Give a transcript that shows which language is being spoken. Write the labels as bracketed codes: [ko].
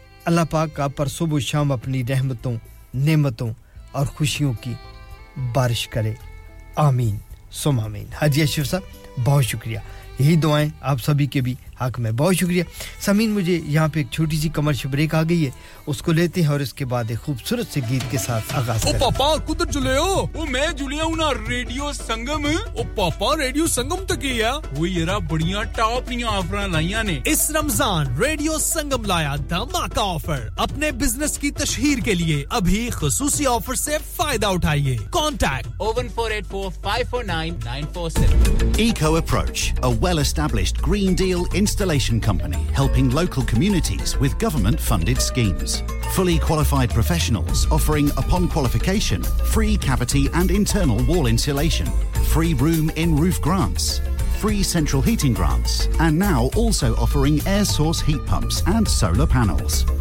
[ur] اللہ پاک آپ پر صبح و شام اپنی رحمتوں نعمتوں اور خوشیوں کی بارش کرے آمین سم آمین حاجی اشرف صاحب بہت شکریہ یہی دعائیں آپ سبھی کے بھی حق میں بہت شکریہ سامین مجھے یہاں پہ ایک چھوٹی سی کمرشل بریک آ گئی ہے اس کو لیتے ہیں اور اس کے بعد ایک خوبصورت سے گیت کے ساتھ آغاز [pa] او پاپا کدھر چلے ہو او میں جلیا ہوں نا ریڈیو سنگم او پاپا ریڈیو سنگم تے گیا وہ یارا بڑیاں ٹاپ نیاں آفراں لائیاں نے [ur] اس رمضان ریڈیو سنگم لایا دھماکہ آفر اپنے بزنس کی تشہیر کے لیے ابھی خصوصی آفر سے فائدہ اٹھائیے contact 01484549947 [en] Eco approach a well established green deal Installation company helping local communities with government funded schemes. Fully qualified professionals offering upon qualification free cavity and internal wall insulation, free room in roof grants, free central heating grants, and now also offering air source heat pumps and solar panels.